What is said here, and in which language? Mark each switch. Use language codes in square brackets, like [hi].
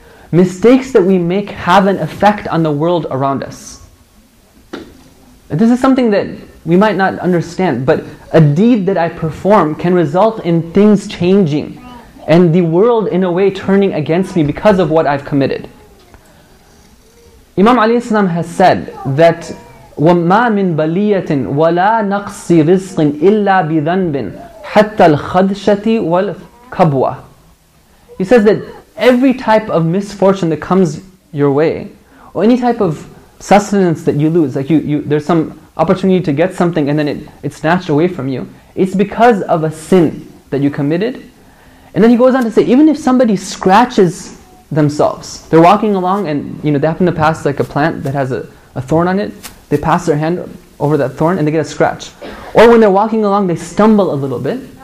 [en] Mistakes that we make have an effect on the world around us. This is something that we might not understand, but a deed that I perform can result in things changing. And the world, in a way, turning against me because of what I've committed. Imam Ali Islam has said that [ar] وَمَا مِن بَلِيَّةٍ وَلَا نَقْصِي رِزْقٍ إِلَّا بِذَنْبٍ حَتَّى الْخَدْشَةِ وَالْكَبْوَةِ. [en] He says that every type of misfortune that comes your way, or any type of sustenance that you lose, like you there's some opportunity to get something and then it's snatched away from you, it's because of a sin that you committed. And then he goes on to say, even if somebody scratches themselves, they're walking along and you know they happen to pass like a plant that has a thorn on it, they pass their hand over that thorn and they get a scratch. Or when they're walking along, they stumble a little bit.